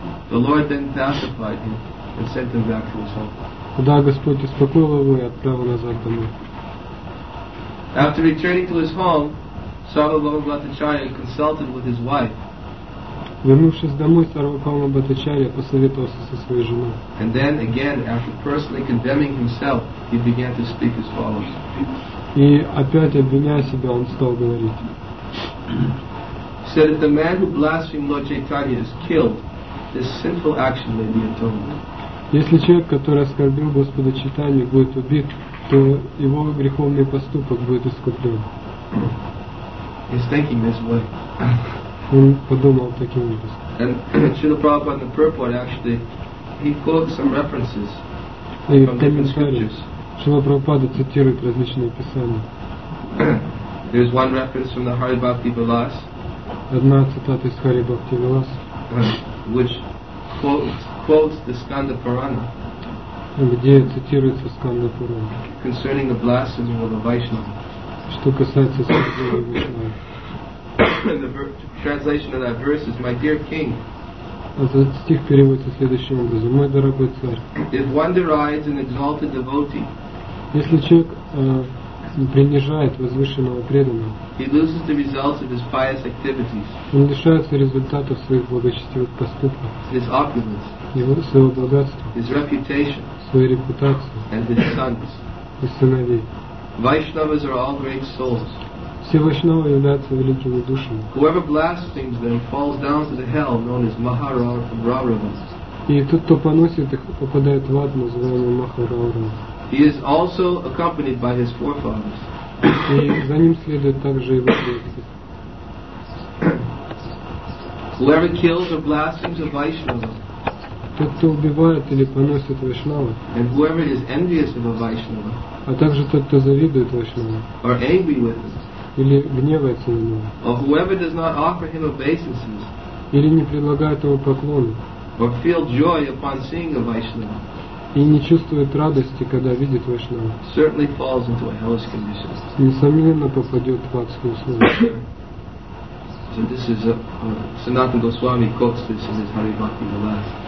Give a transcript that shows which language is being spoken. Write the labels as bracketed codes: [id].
[en] The Lord then pacified him and sent him back to his home. [ru] Да, Господь успокоил его и отправил назад домой. [en] After returning to his home, Сарвабхаума Бхаттачарья consulted with his wife. [ru] Вернувшись домой, Сарвабхаума Бхаттачарья посоветовался со своей женой. [en] And then again, after personally condemning himself, he began to speak as follows. [ru] И опять обвиняя себя, он стал говорить. [en] He said, if the man who blasphemed Lord Chaitanya is killed, this sinful action may be atoned. [ru] Если человек, который оскорбил Господа Чайтанью, будет убит, то его греховный поступок будет искуплен. [en] He's thinking this way. [ru] Он подумал таким образом. [en] And Srila Prabhupada in the purport actually, he quotes some references from scriptures. [ru] Srila Prabhupada цитирует различные писания. [en] There's one reference from the Hari Bhakti Vilas. [ru] Одна цитата из Hari Bhakti Vilas. [en] Which quotes the Skanda Purana, [ru] где цитируется Skanda Purana, [en] concerning the blasphemy of the Vaishnava. [ru] Что касается Skanda Purana, [en] the translation of that verse is, "My dear king." [ru] Этот стих переводится следующим образом: "Мой дорогой царь." [en] If one derides an exalted devotee, [ru] если человек принижает возвышенного преданного, [en] he loses the results of his pious activities. [ru] Он лишается результатов своих благочестивых поступков. [en] His opulence. [ru] Его своего богатства, [en] his reputation, [ru] свою репутацию, [en] and his sons, [ru] и сыновей. [en] Vaishnavas are all great souls. [ru] Все вайшнавы являются великими душами. [en] Whoever blasphemes them falls down to the hell known as Mahārāurava. [ru] И тот, кто поносит их, попадает в ад, называемый Mahārāurava. [en] He is also accompanied by his forefathers. [ru] И за ним следует также его предки. [en] Whoever kills or blasphemes a Vaishnava. [ru] Тот, кто убивает или поносит вайшнава, [en] and whoever is envious of a Vaishnava, [ru] а также тот, кто завидует вайшнава, [en] or angry with him, [ru] или гневается на него, [en] or whoever does not offer him obeisances, [ru] или не предлагает ему поклоны, [en] or feel joy upon seeing a Vaishnava, [ru] и не чувствует радости, когда видит вайшнава, [en] certainly falls into a hellish condition. [ru] Несомненно, попадет в адские условия. [en] So this is Sanatana Goswami quotes this in his Hari Bhakti Vilas.